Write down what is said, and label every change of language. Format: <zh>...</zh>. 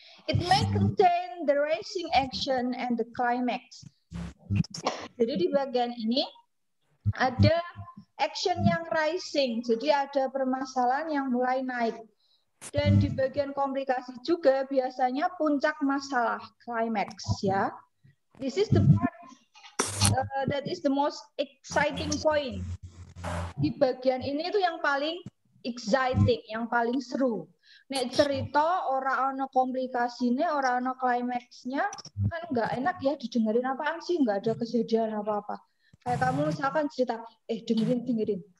<en>It may contain the racing action and the climax.</en> <id>Jadi di bagian ini ada action yang rising, jadi ada permasalahan yang mulai naik. Dan di bagian komplikasi juga biasanya puncak masalah, climax ya.</id> <en>This is the part that is the most exciting point.</en> <id>Di bagian ini tuh yang paling exciting, yang paling seru.</id> <jv>Nek cerita ora ana komplikasine, ora ana climaxnya,</jv> <id>kan enggak enak ya didengerin, apaan sih, enggak ada kejadian apa-apa. Kayak kamu misalkan cerita, dengerin.</id>